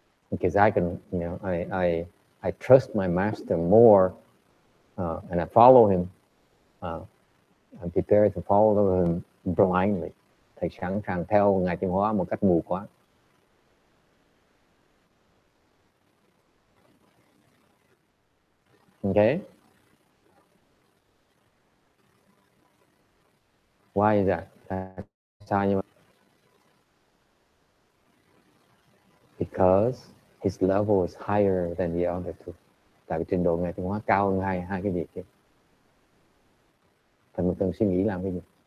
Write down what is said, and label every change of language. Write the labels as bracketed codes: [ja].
[en] Because I can, I trust my master more, and I follow him. I'm prepared to follow him blindly. [vi] Thầy sẵn sàng theo Ngài Tiên Hóa một cách mù quáng. [en] Okay. Why is that? Because his level is higher than the other two. [vi] Tại vì trình độ Ngài Tiên Hóa cao hơn hai cái việc kia. Thầy mình cần suy nghĩ làm cái gì?